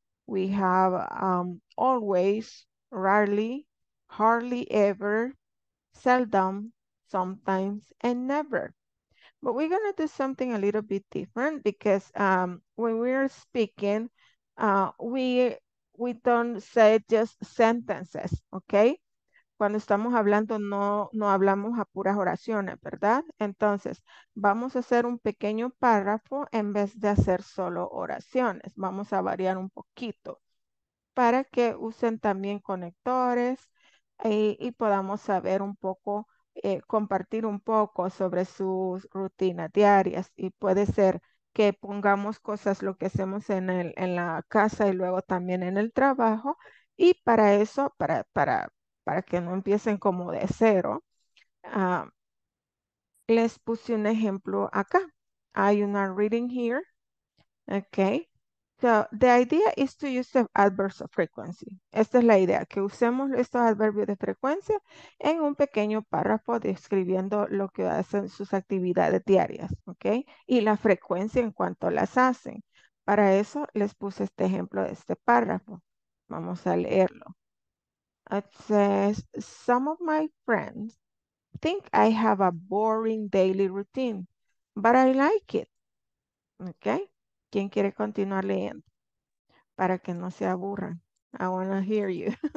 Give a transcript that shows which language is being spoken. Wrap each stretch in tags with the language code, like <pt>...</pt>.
<en>We have always, rarely, hardly ever, seldom, sometimes, and never. But we're gonna do something a little bit different because when we're speaking, we don't say just sentences, okay?</en> <es>Cuando estamos hablando, no hablamos a puras oraciones, ¿verdad? Entonces, vamos a hacer un pequeño párrafo en vez de hacer solo oraciones. Vamos a variar un poquito para que usen también conectores y podamos saber un poco, compartir un poco sobre sus rutinas diarias. Y puede ser que pongamos cosas, lo que hacemos en la casa y luego también en el trabajo. Y para eso, para que no empiecen como de cero, les puse un ejemplo acá. Hay una</es> <en>reading here. Okay. So the idea is to use the adverbs of frequency.</en> <es>Esta es la idea, que usemos estos adverbios de frecuencia en un pequeño párrafo describiendo lo que hacen sus actividades diarias. Okay. Y la frecuencia en cuanto las hacen. Para eso les puse este ejemplo de este párrafo. Vamos a leerlo.</es> <en>It says, some of my friends think I have a boring daily routine, but I like it.</en> <es>Okay? ¿Quién quiere continuar leyendo? Para que no se aburran.</es> <en>I want to hear you.</en>